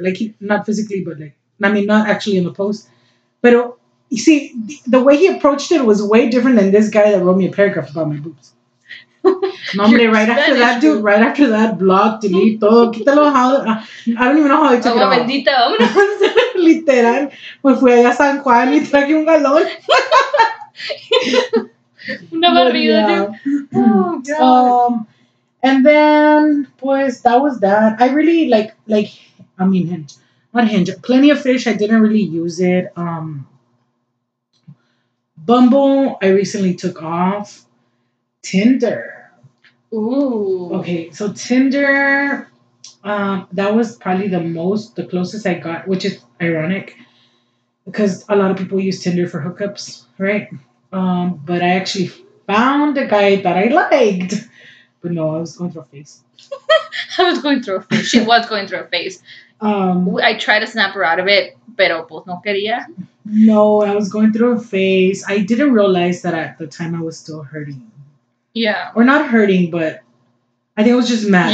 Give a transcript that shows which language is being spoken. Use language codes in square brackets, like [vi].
[en] Like, he, not physically, but, like, I mean, not actually in the post, but it, you see, the way he approached it was way different than this guy that wrote me a paragraph about my boobs. Normally, right Spanish after that, dude, right after that, block, delete, [es] todo, quítalo, [en] how, I don't even know how I took it [es] bendita, [en] out. [es] Literal, me fui allá a San Juan y traje un galón. Una barrida, dude. [en] Oh, God. And then, [es] pues, [en] that was that. I really, like, I mean, Hinge. On Hinge, Plenty of Fish, I didn't really use it. Bumble, I recently took off. Tinder. Ooh. Okay, so Tinder, that was probably the closest I got, which is ironic, because a lot of people use Tinder for hookups, right? But I actually found a guy that I liked. But no, I was going through a phase. I was going through a phase. She was going through a phase. I tried to snap her out of it, [es] pero pues no quería. [en] No, I was going through a phase. I didn't realize that at the time I was still hurting. Yeah. Or not hurting, but I think it was just mad.